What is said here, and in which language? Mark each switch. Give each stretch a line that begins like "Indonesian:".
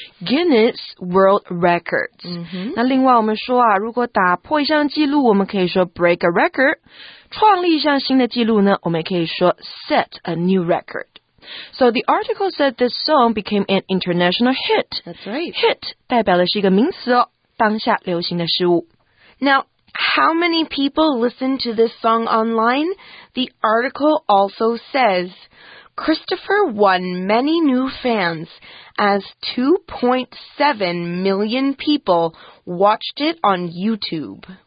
English: Guinness World Records、 mm-hmm.
Chinese: 那另外我们说啊，如果打破一项纪录，我们可以说
English: break a record，
Chinese: 创立一项新的纪录呢，我们可以说
English: set a new record。 So the article said this song became an international hit. That's right.
Chinese: Hit 代表的是一个名词哦，当下流行的事物。
English: Now, how many people listen to this song online? The article also says, Christopher won many new fans as 2.7 million people watched it on YouTube.